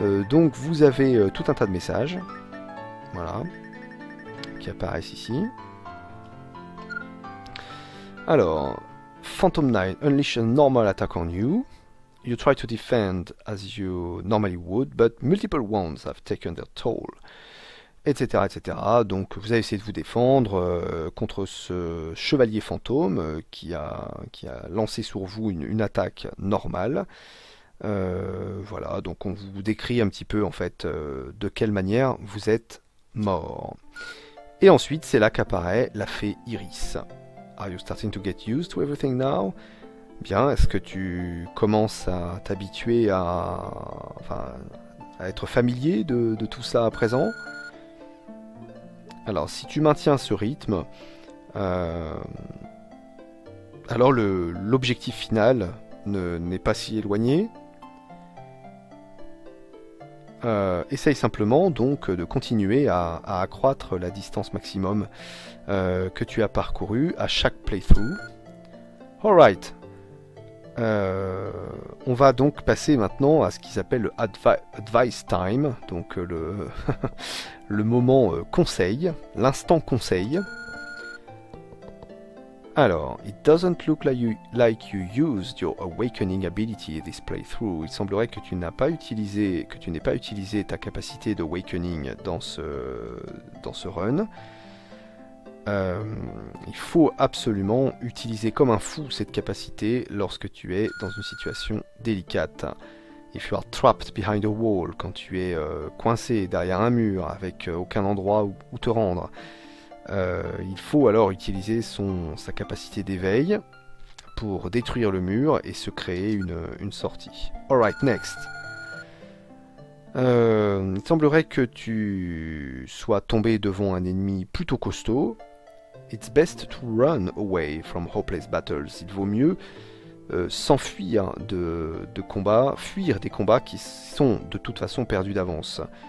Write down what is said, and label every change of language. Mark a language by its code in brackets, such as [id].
[fr] Donc vous avez tout un tas de messages, voilà, qui apparaissent ici. [en] Alors, Phantom Knight unleashes a normal attack on you. You try to defend as you normally would, but multiple wounds have taken their toll. Etc. etc. [fr] Donc, vous avez essayé de vous défendre contre ce chevalier fantôme qui a lancé sur vous une attaque normale. Voilà, donc on vous décrit un petit peu en fait de quelle manière vous êtes mort. Et ensuite, c'est là qu'apparaît la fée Iris. [en] Are you starting to get used to everything now? [fr] Bien, est-ce que tu commences à t'habituer à être familier de tout ça à présent? Alors, si tu maintiens ce rythme, alors l'objectif final n'est pas si éloigné. Essaye simplement donc de continuer à accroître la distance maximum que tu as parcourue à chaque playthrough. Alright. On va donc passer maintenant à ce qu'ils appellent le advice time, donc le, le moment conseil, l'instant conseil. [en] Alors, it doesn't look like you used your awakening ability this playthrough. [fr] Il semblerait que tu n'aies pas utilisé ta capacité d'awakening dans ce run. Il faut absolument utiliser comme un fou cette capacité lorsque tu es dans une situation délicate. [en] If you are trapped behind a wall, [fr] quand tu es coincé derrière un mur avec aucun endroit où te rendre, il faut alors utiliser sa capacité d'éveil pour détruire le mur et se créer une sortie. [en] Alright, next. [fr] Il semblerait que tu sois tombé devant un ennemi plutôt costaud. [en] It's best to run away from hopeless battles. [fr] Il vaut mieux s'enfuir de combats, fuir des combats qui sont de toute façon perdus d'avance.